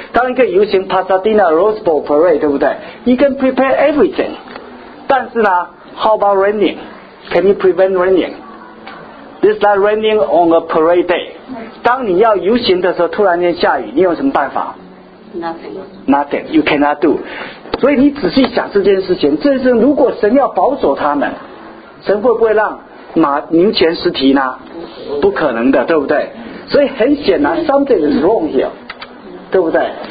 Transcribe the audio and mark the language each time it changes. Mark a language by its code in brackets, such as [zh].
[zh] 当一个游行 Pasadena Rose Bowl parade, 对不对？ [en] You can prepare everything. [zh] 但是呢， [en] how about raining? Can you prevent raining? It's like raining on a parade day. [zh] 当你要游行的时候突然间下雨，你有什么办法？ [en] Nothing. Nothing. You cannot do. [zh] 所以你仔细想这件事情，这是如果神要保守他们，神会不会让马牛前失蹄呢？不可能的，对不对？所以很显然 [en] something is wrong here, [zh] 对不对？